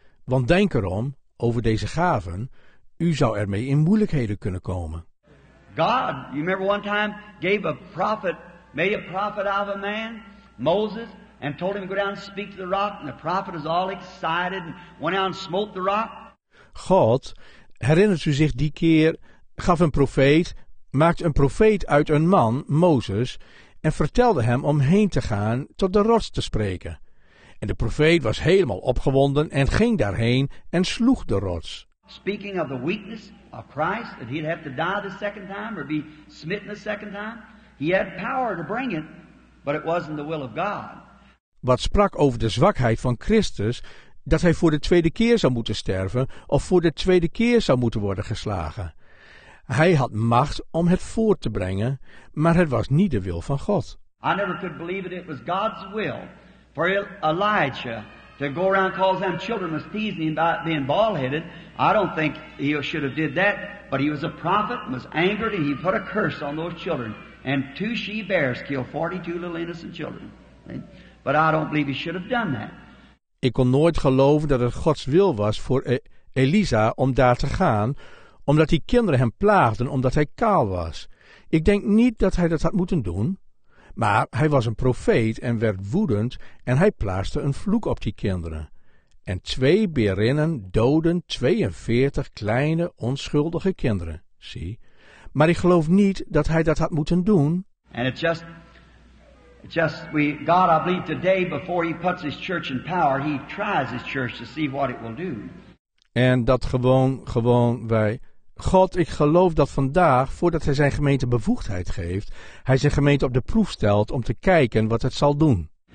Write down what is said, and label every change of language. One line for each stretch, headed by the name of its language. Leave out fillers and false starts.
Dutch: Want denk erom, over deze gaven, u zou ermee in moeilijkheden kunnen komen.
English: God, you remember one time, gave a prophet, made a prophet out of a man, Moses, and told him to go down and speak to the rock, and the prophet was all excited and went out and smote the rock.
Dutch: God, herinnert u zich die keer, gaf een profeet, maakte een profeet uit een man, Mozes, en vertelde hem om heen te gaan tot de rots te spreken. En de profeet was helemaal opgewonden en ging daarheen en sloeg de rots.
English: Speaking of the weakness of Christ, that he'd have to die the second time or be smitten the second time, he had power to bring it, but it wasn't the will of God.
Dutch: Wat sprak over de zwakheid van Christus, dat hij voor de tweede keer zou moeten sterven of voor de tweede keer zou moeten worden geslagen. Hij had macht om het voort te brengen, maar het was niet de wil van God.
English: I never could believe it was God's will for Elijah to go around calling them children was teasing him about being bald-headed. I don't think he should have did that, but he was a prophet and was angered and he put a curse on those children. And two she-bears killed 42 little innocent children. But I don't believe he should have done that.
Dutch: Ik kon nooit geloven dat het Gods wil was voor Elisa om daar te gaan, omdat die kinderen hem plaagden omdat hij kaal was. Ik denk niet dat hij dat had moeten doen. Maar hij was een profeet en werd woedend en hij plaatste een vloek op die kinderen. En twee berinnen doden 42 kleine onschuldige kinderen, zie. Maar ik geloof niet dat hij dat had moeten doen.
English: And it's just we God, I believe today before he puts his church in power, he tries his church to see what it will do.
Dutch: En dat gewoon wij. God, ik geloof dat vandaag, voordat hij zijn gemeente bevoegdheid geeft, hij zijn gemeente op de proef stelt om te kijken wat het zal doen.